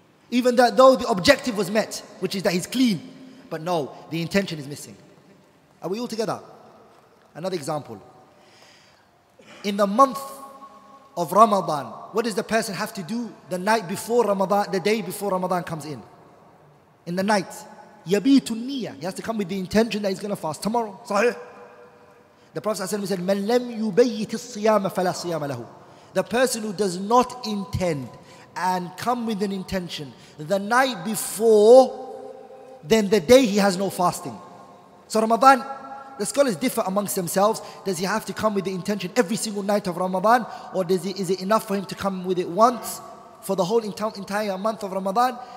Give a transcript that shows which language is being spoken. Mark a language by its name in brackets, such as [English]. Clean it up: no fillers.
[English] Even that though the objective was met, which is that he's clean. But no, the intention is missing. Are we all together? Another example. In the month of Ramadan, what does the person have to do the night before Ramadan, the day before Ramadan comes in? In the night. [Arabic] يَبِيتُ النِّيَّةِ. [English] He has to come with the intention that he's going to fast tomorrow. Sahih? The Prophet said, [Arabic] مَنْ لَمْ يُبَيِّتِ الصِّيَامَ فَلَا صِيَامَ لَهُ. [English] The person who does not intend and come with an intention the night before, then the day he has no fasting. So Ramadan, the scholars differ amongst themselves. Does he have to come with the intention every single night of Ramadan? Or is it enough for him to come with it once for the whole entire month of Ramadan?